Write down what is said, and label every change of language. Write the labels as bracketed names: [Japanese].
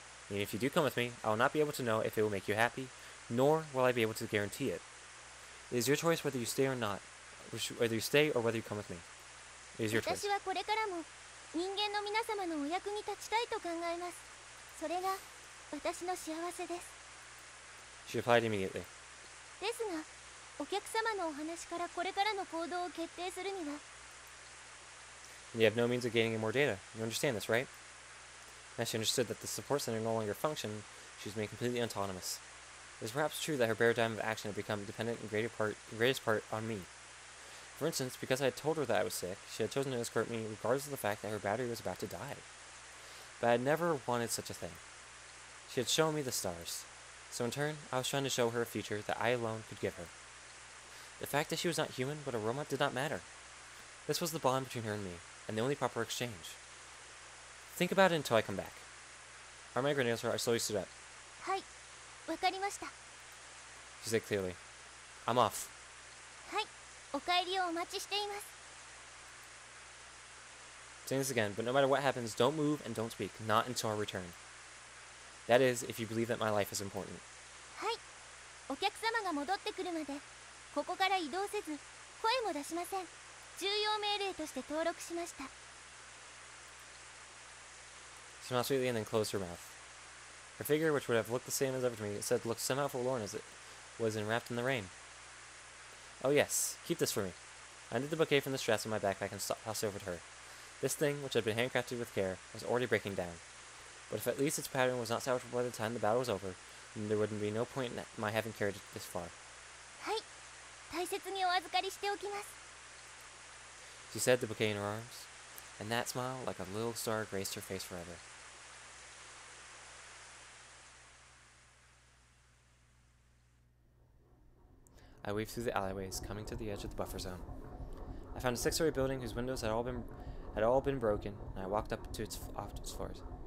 [English] And if you do come with me, I will not be able to know if it will make you happy, nor will I be able to guarantee it. It is your choice whether you stay or not, whether you stay or whether you come with me. It is your choice. [Japanese] 私はこれからも人間の皆様のお役に立ちたいと考えます。それが私の幸せです。 [English] She replied immediately. [Japanese] ですが、お客様のお話からこれからの行動を決定するには。 [English] You have no means of gaining any more data. You understand this, right? As she understood that the support center no longer functioned, she was made completely autonomous. It is perhaps true that her paradigm of action had become dependent in greatest part on me. For instance, because I had told her that I was sick, she had chosen to escort me regardless of the fact that her battery was about to die. But I had never wanted such a thing. She had shown me the stars. So in turn, I was trying to show her a future that I alone could give her. The fact that she was not human, but a robot did not matter. This was the bond between her and me, and the only proper exchange. Think about it until I come back. Are my grenades her? I slowly stood up. [Japanese] はい、わかりました。 [English] She said clearly. I'm off. [Japanese] はい、お帰りをお待ちしています。 [English] Saying this again, but no matter what happens, don't move and don't speak, not until our return. That is, if you believe that my life is important. [Japanese] はい、お客様が戻ってくるまで、ここから移動せず、声も出しません。重要命令として登録しました。 [English] She smiled sweetly and then closed her mouth. Her figure, which would have looked the same as ever to me, said looked somehow forlorn as it was enwrapped in the rain. Oh yes, keep this for me. I undid the bouquet from the straps on my backpack and passed it over to her. This thing, which had been handcrafted with care, was already breaking down. But if at least its pattern was not salvageable by the time the battle was over, then there wouldn't be no point in my having carried it this far. [Japanese] はい、大切にお預かりしておきます。 [English] She said, the bouquet in her arms. And that smile, like a little star, graced her face forever. I weaved through the alleyways, coming to the edge of the buffer zone. I found a six-story building whose windows had all been broken, and I walked up to its floors.